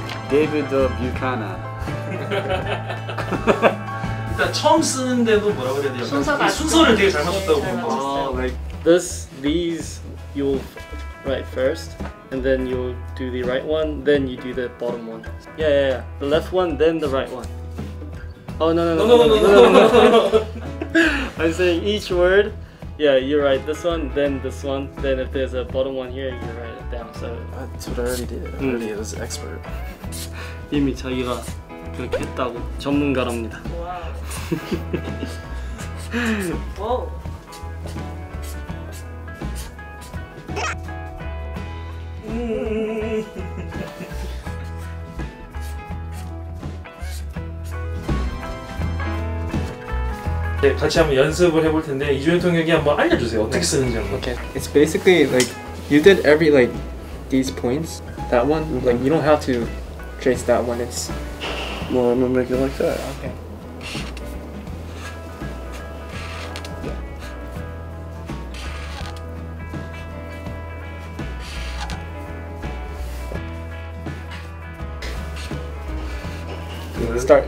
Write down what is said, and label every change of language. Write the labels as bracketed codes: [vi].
[en] David Buchanan. [ko] 일단 처음 쓰는데도 뭐라고 해야 돼요? 순서가 순서를 되게 잘 맞췄다고 본 거. [en] Like this, these you'll write first, and then you'll do the right one, then you do the bottom one. Yeah, yeah, yeah. The left one, then the right one. Oh no no no no no no no no. I'm saying each word. Yeah, you write this one, then this one, then if there's a bottom one here, you write it down. So that's what I already did. I already was an expert. [ko] 이미 자기가 그렇게 했다고 전문가랍니다. 와. 네, 같이 한번 연습을 해볼 텐데 이주연 통역이 한번 알려주세요. 어떻게 쓰는지 한번. [en] Okay, it's basically like you did every like these points. That one, mm-hmm. like you don't have to. Trace that when it's. Well, I'm gonna make it like that. Okay.